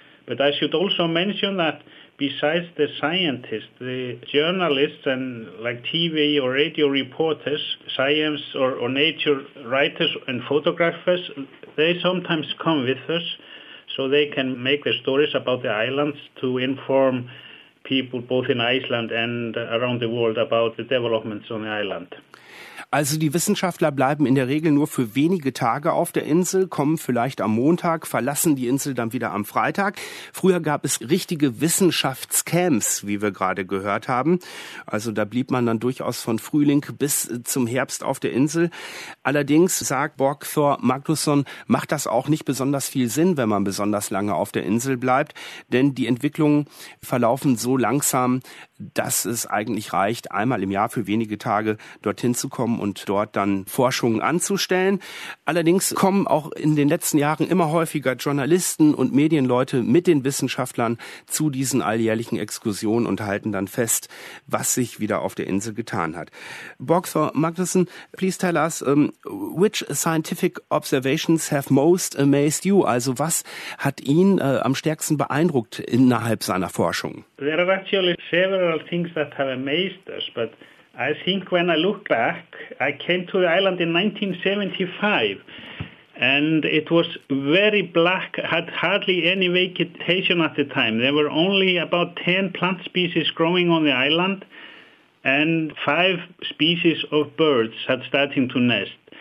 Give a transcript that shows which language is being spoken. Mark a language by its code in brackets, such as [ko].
[en] But I should also mention that besides the scientists, the journalists and like TV or radio reporters, science or nature writers and photographers, they sometimes come with us so they can make the stories about the islands to inform people both in Iceland and around the world about the developments on the island. [de] Also die Wissenschaftler bleiben in der Regel nur für wenige Tage auf der Insel, kommen vielleicht am Montag, verlassen die Insel dann wieder am Freitag. Früher gab es richtige Wissenschaftscamps, wie wir gerade gehört haben. Also da blieb man dann durchaus von Frühling bis zum Herbst auf der Insel. Allerdings, sagt Borgþór Magnússon, macht das auch nicht besonders viel Sinn, wenn man besonders lange auf der Insel bleibt. Denn die Entwicklungen verlaufen so langsam, dass es eigentlich reicht, einmal im Jahr für wenige Tage dorthin zu kommen und dort dann Forschungen anzustellen. Allerdings kommen auch in den letzten Jahren immer häufiger Journalisten und Medienleute mit den Wissenschaftlern zu diesen alljährlichen Exkursionen und halten dann fest, was sich wieder auf der Insel getan hat. [en] Borgþór Magnússon, please tell us, which scientific observations have most amazed you? [de] Also was hat ihn am stärksten beeindruckt innerhalb seiner Forschung? [en] There are actually several things that have amazed us, but I think when I look back, I came to the island in 1975, and it was very black, had hardly any vegetation at the time. There were only about 10 plant species growing on the island, and 5 species of birds had started to nest.